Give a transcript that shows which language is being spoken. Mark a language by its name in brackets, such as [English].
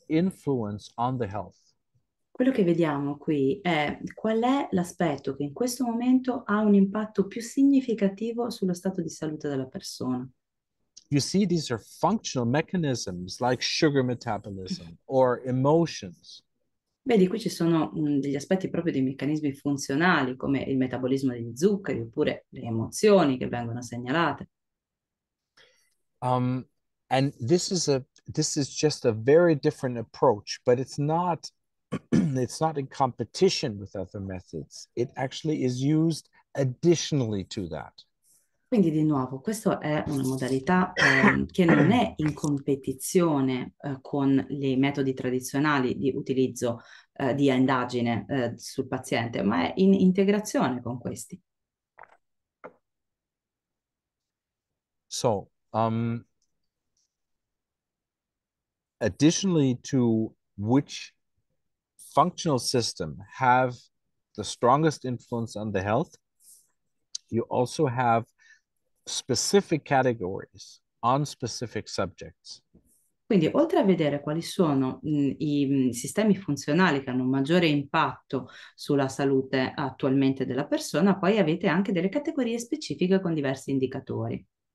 [English] influence on the health. [Italian] Quello che vediamo qui è qual è l'aspetto che in questo momento ha un impatto più significativo sullo stato di salute della persona. [English] You see, these are functional mechanisms like sugar metabolism or emotions. [Italian] Vedi, qui ci sono degli aspetti proprio dei meccanismi funzionali, come il metabolismo degli zuccheri oppure le emozioni che vengono segnalate. [English] And this is just a very different approach, but it's not in competition with other methods. It actually is used additionally to that. [Italian] Quindi di nuovo, questa è una modalità che non è in competizione con i metodi tradizionali di utilizzo di indagine sul paziente, ma è in integrazione con questi. [English] So, additionally to which functional system have the strongest influence on the health, you also have specific categories on specific subjects. [Italian] Quindi, oltre a vedere quali sono i sistemi funzionali che hanno un maggiore impatto sulla salute attualmente della persona, poi avete anche delle categorie specifiche con diversi indicatori.